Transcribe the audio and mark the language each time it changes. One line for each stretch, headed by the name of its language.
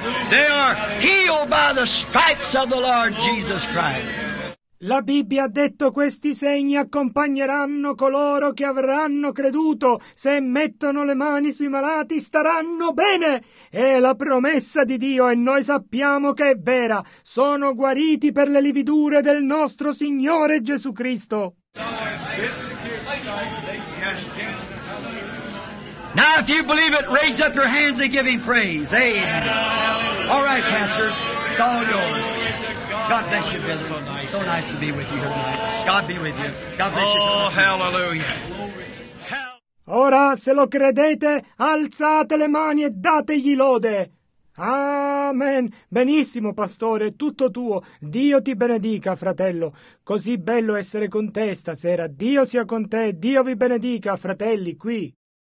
English: They are healed by the stripes of the Lord Jesus Christ.
Italian: La Bibbia ha detto questi segni accompagneranno coloro che avranno creduto. Se mettono le mani sui malati staranno bene. È la promessa di Dio e noi sappiamo che è vera. Sono guariti per le lividure del nostro Signore Gesù Cristo.
English: Now if you believe it, raise up your hands and give him praise. Amen. All right, Pastor. It's all yours. God bless you, brother. So nice. So nice to be with you here tonight. God be with you. God bless you. Oh, hallelujah.
Italian: Ora, se lo credete, alzate le mani e dategli lode. Amen. Benissimo, pastore, tutto tuo. Dio ti benedica, fratello. Così bello essere con te stasera. Dio sia con te. Dio vi benedica, fratelli, qui.